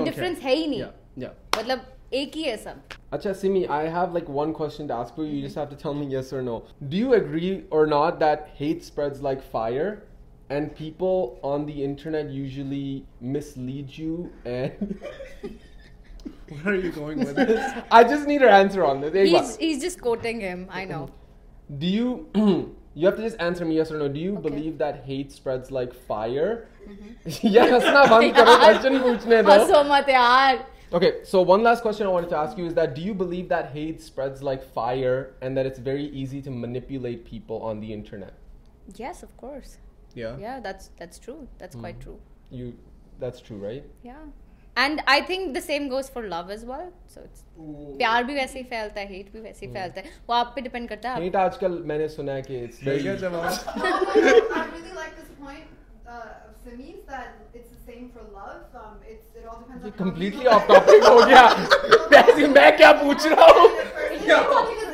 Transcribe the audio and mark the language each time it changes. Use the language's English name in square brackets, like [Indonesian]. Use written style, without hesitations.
[Hindi] वो डिफरेंस है ही नहीं. मतलब एक ही है सब. [English] अच्छा Simi I have like one question to ask you. You just have to tell me yes और no. Do you agree और not that hate spreads like fire and people on the internet usually mislead you and Where are you going with this? I just need her answer on this. He's just quoting him. I know. Do you... you have to just answer me yes or no. Do you believe that hate spreads like fire? [Hindi] Yes, na bandh karo question poochne do. Haso mat yaar. [English] Okay, so one last question I wanted to ask you is that do you believe that hate spreads like fire and that it's very easy to manipulate people on the internet? Yes, of course. Yeah? Yeah, that's true. That's quite true. That's true, right? Yeah. And I think the same goes for love as well. So it's [Hindi] प्यार भी वैसे ही फैलता है, hate भी वैसे ही फैलता है. वो आप पे depend करता है. Hate आजकल मैंने सुना है कि [English] it's very good. I really like this point of Simi's that it's the same for love. It all depends on. [Hindi] ये completely off topic हो गया. वैसे मैं क्या पूछ रहा हूँ?